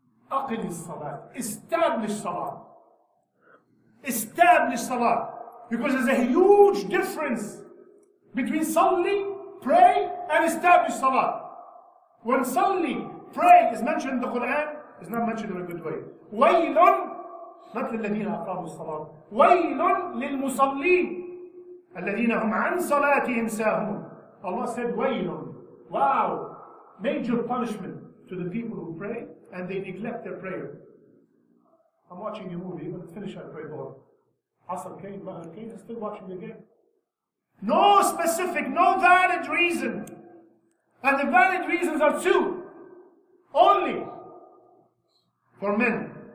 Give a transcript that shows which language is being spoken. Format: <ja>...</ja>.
<ar>أَقِمْ الصَّلَاةِ</ar> <en>Establish salah. Establish salah. Because there's a huge difference between صَلِّي pray and establish salah. When suddenly pray is mentioned in the Quran, it's not mentioned in a good way.</en> <ar>وَيْلٌ</ar> <en>not</en> <ar>لِلَّذِينَ أَقَامُوا الصَّلَاةِ وَيْلٌ لِلْمُصَلِّينَ الَّذِينَ هُمْ عَنْ صَلَاتِهِمْ سَاهُونَ</ar> <en>Allah said,</en> <ar>وَيْلٌ</ar> <en>Wow! Major punishment to the people who pray and they neglect their prayer. I'm watching a movie, when it's finished, I pray more. Asr came, Maghrib came, I'm still watching the game. No specific, no valid reason. And the valid reasons are two. Only for men.</en>